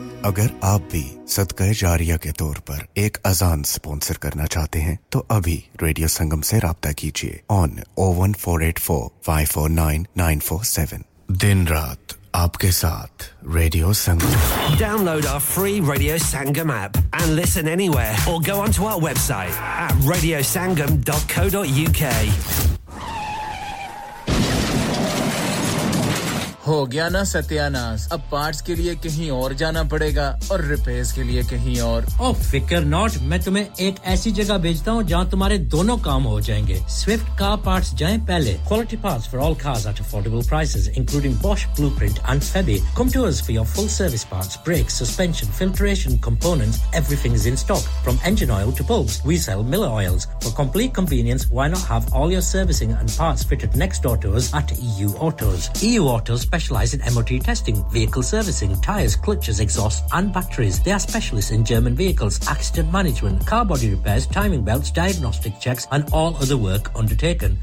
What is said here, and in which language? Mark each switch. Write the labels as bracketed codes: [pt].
[ur] اگر آپ بھی صدقہ جاریہ کے طور پر ایک اذان سپونسر کرنا چاہتے ہیں تو ابھی ریڈیو سنگم سے رابطہ کیجئے on 01484549947 دن رات آپ کے ساتھ radio Sangam [en] Download our free Radio Sangam app and listen anywhere or go onto our website at radiosangam.co.uk [ur] ہو گیا نا ستیاناس اب پارٹس کے لیے کہیں اور جانا پڑے گا اور ریپیئرز کے لیے کہیں اور اوہ فکر ناٹ میں تمہیں ایک ایسی جگہ بھیجتا ہوں جہاں تمہارے دونوں کام ہو جائیں گے سوئفٹ کار پارٹس جائیں پہلے [en] Quality parts for all cars at affordable prices including Bosch Blue Print and Febi come to us for your full service parts brakes suspension filtration components everything is in stock from engine oil to bulbs we sell Miller oils for complete convenience why not have all your servicing and parts fitted next door to us at EU Autos EU Autos specialize in MOT testing, vehicle servicing, tyres, clutches, exhausts and batteries. They are specialists in German vehicles, accident management, car body repairs, timing belts, diagnostic checks and all other work undertaken.